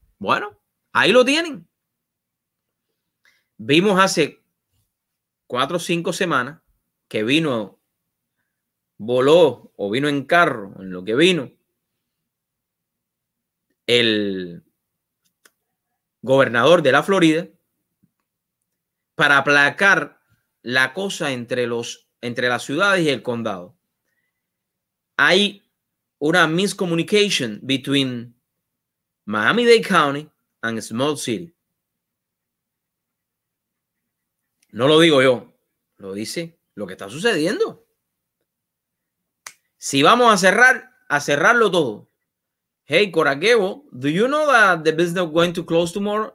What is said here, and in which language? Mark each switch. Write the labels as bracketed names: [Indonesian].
[Spanish] Bueno, ahí lo tienen. Vimos hace 4 o 5 semanas que vino en carro, en lo que vino, el gobernador de la Florida para aplacar la cosa entre las ciudades y el condado. Hay una [English] miscommunication between Miami-Dade County and Small City. [Spanish] No lo digo yo, lo dice lo que está sucediendo. Si vamos a cerrarlo todo. [English] Hey, Coraquevo, do you know that the business going to close tomorrow?